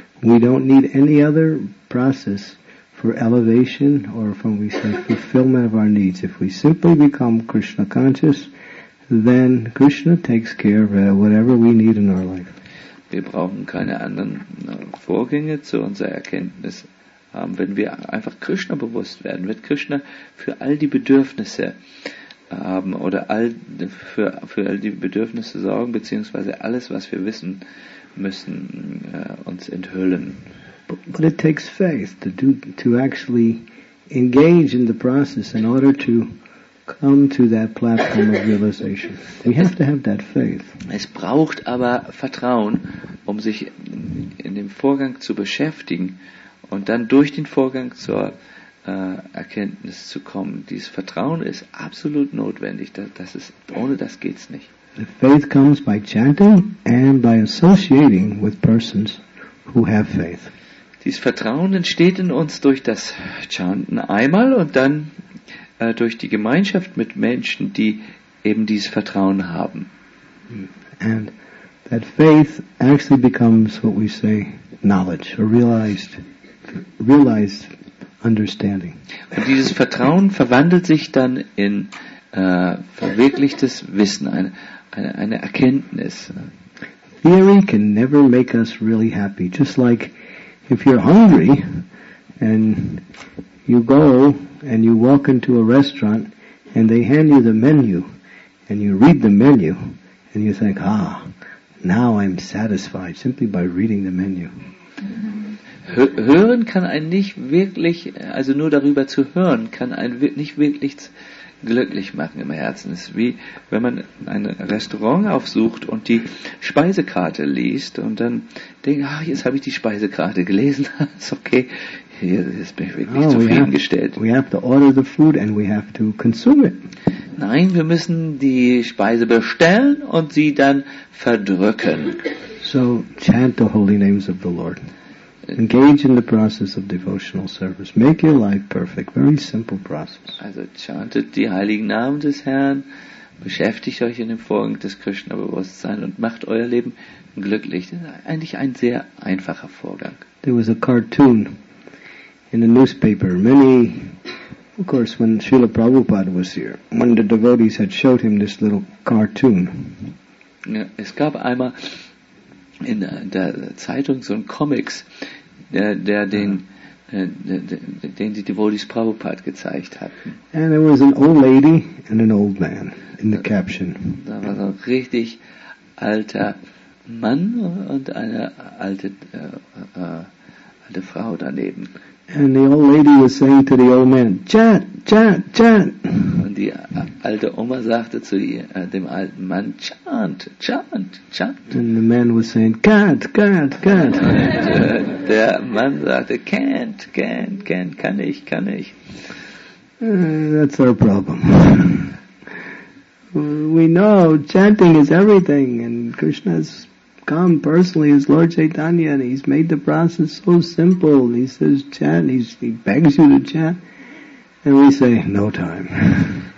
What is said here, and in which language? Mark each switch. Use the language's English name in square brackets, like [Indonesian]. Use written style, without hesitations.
[English] We don't need any other process for elevation or from we say fulfillment of our needs. If we simply become Krishna conscious, then Krishna takes care of whatever we need in our life. [German] Wir brauchen keine anderen Vorgänge zu unserer Erkenntnis haben. Wenn wir einfach Krishna bewusst werden, wird Krishna für all die Bedürfnisse haben oder für all die Bedürfnisse sorgen, beziehungsweise alles, was wir wissen müssen, uns enthüllen. [English] But it takes faith to actually engage in the process in order to come to that platform of realization. We have to have that faith. [German] Es braucht aber Vertrauen, um sich in dem Vorgang zu beschäftigen und dann durch den Vorgang zur Erkenntnis zu kommen. Dieses Vertrauen ist absolut notwendig. Das ist, ohne das geht's nicht. [English] The faith comes by chanting and by associating with persons who have faith. [German] Dieses Vertrauen entsteht in uns durch das Chanten einmal und dann durch die Gemeinschaft mit Menschen, die eben dieses Vertrauen haben. [English] And that faith actually becomes what we say knowledge, a realized understanding. [German] Und dieses Vertrauen verwandelt sich dann in verwirklichtes Wissen, eine Erkenntnis. [English] Theory can never make us really happy. Just like if you're hungry and you go and you walk into a restaurant and they hand you the menu and you read the menu and you think, ah, now I'm satisfied simply by reading the menu. [German] Hören kann einen nicht wirklich, also nur darüber zu hören, kann einen nicht wirklich glücklich machen im Herzen. Es ist wie, wenn man ein Restaurant aufsucht und die Speisekarte liest und dann denkt, ach, jetzt habe ich die Speisekarte gelesen, ist okay, jetzt bin ich wirklich zufriedengestellt. [English] We have to order the food and we have to consume it. [German] Nein, wir müssen die Speise bestellen und sie dann verdrücken. [English] So, chant the holy names of the Lord. Engage in the process of devotional service. Make your life perfect. Very simple process. [German] Also chantet die heiligen Namen des Herrn, beschäftigt euch in dem Vorgang des Krishna-Bewusstseins und macht euer Leben glücklich. Das ist eigentlich ein sehr einfacher Vorgang. [English] There was a cartoon in the newspaper. Many, of course, when Srila Prabhupada was here, one of the devotees had showed him this little cartoon. [German] Ja, es gab einmal in der Zeitung so ein Comics, den die Devotees Prabhupada gezeigt hatten. [English] And there was an old lady and an old man in the caption. [German] Da war so ein richtig alter Mann und eine alte Frau daneben. [English] And the old lady was saying to the old man, chant, chant, chant. [German] Und die alte Oma sagte zu dem alten Mann, [English] chant, chant, chant. And the man was saying, can't, can't, can't. [German] Und der Mann sagte, [English] can't, can't, can't, [German] kann ich, kann ich. [English] That's our problem. We know chanting is everything and Krishna's come personally as Lord Chaitanya and he's made the process so simple. He says chant, he begs you to chant and we say no time.